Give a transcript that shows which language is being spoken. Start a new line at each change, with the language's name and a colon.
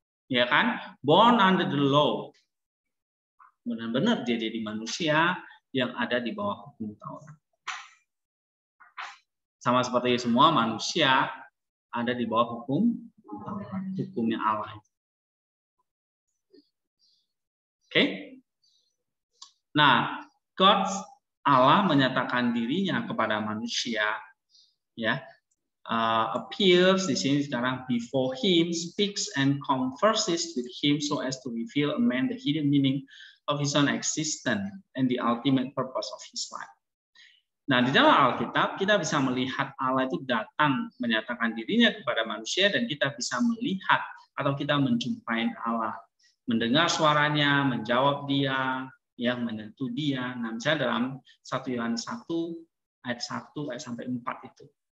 Indonesian: Ya kan?
English: Born under the law.
Indonesian: Benar-benar dia jadi manusia yang ada di bawah hukum Taurat. Sama seperti semua manusia ada di bawah hukum hukumnya Allah. Okay?
English: Nah, God
Indonesian: Allah menyatakan dirinya kepada manusia, ya,
English: appears
Indonesian: di sini sekarang
English: before him, speaks and converses with him so as to reveal a man the hidden meaning of his own existence and the ultimate purpose of his life.
Indonesian: Nah, di dalam Alkitab kita bisa melihat Allah itu datang menyatakan dirinya kepada manusia dan kita bisa melihat atau kita menjumpai Allah, mendengar suaranya, menjawab dia, yang menentu dia. Nah, misalnya dalam 1 Yohanes 1 ayat 1 ayat sampai 4 itu.